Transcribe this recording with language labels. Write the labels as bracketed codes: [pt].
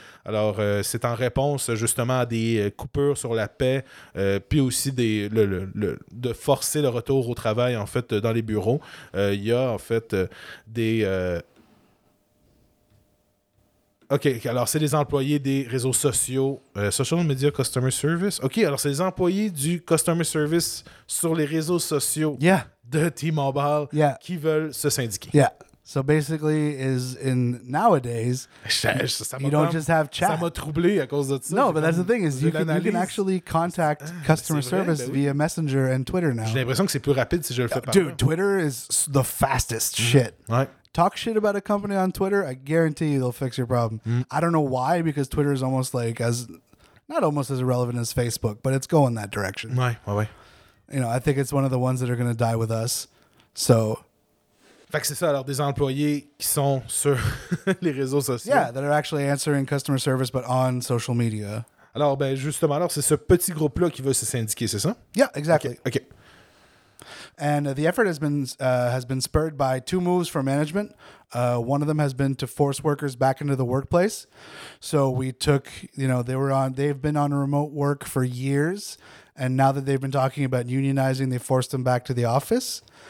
[fr] Alors, c'est en réponse, justement, à des coupures sur la paie, puis aussi de forcer le retour au travail, en fait, dans les bureaux. Il y a, en fait, des... OK, alors c'est les employés des réseaux sociaux, Social Media Customer Service. OK, alors c'est les employés du Customer Service sur les réseaux sociaux de T-Mobile qui veulent se syndiquer. [en] Yeah. So basically, is in nowadays, you don't just have chat. [fr] Ça m'a troublé à cause de ça. [en] No, but that's the thing, is you can actually contact customer service via Messenger and Twitter now. [fr] J'ai l'impression que c'est plus rapide si je le fais par [en] là. Dude, Twitter is the fastest shit. Right. Talk shit about a company on Twitter, I guarantee you they'll fix your problem. I don't know why, because Twitter is almost like, as not almost as irrelevant as Facebook, but it's going that direction. Right. You know, I think it's one of the ones that are going to die with us. So... [fr] Fait que c'est ça, alors des employés qui sont sur les réseaux sociaux. [en] Yeah, that are actually answering customer service, but on social media. [fr] Alors, ben justement, alors c'est ce petit groupe-là qui veut se syndiquer, c'est ça? [en] Yeah, exactly. Okay. And the effort has been spurred by two moves from management. One of them has been to force workers back into the workplace. So we took, you know, they've been on remote work for years. And now that they've been talking about unionizing, they forced them back to the office.